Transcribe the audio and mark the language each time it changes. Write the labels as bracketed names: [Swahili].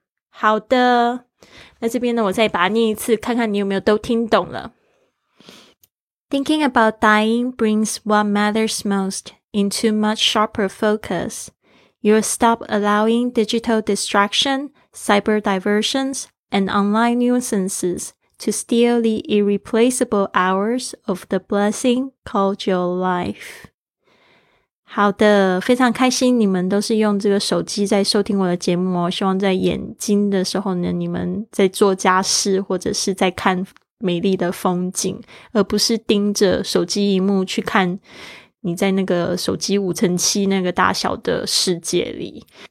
[Chinese] 好的，那这边呢我再把它念一次，看看你有没有都听懂了。 [English] Thinking about dying brings what matters most into much sharper focus. You'll stop allowing digital distraction, cyber diversions, and online nuisances to steal the irreplaceable hours of the blessing called your life. [Chinese] 好的，非常开心你们都是用这个手机在收听我的节目哦。希望在眼睛的时候呢，你们在做家事或者是在看美丽的风景，而不是盯着手机萤幕去看你在那个手机5x7那个大小的世界里。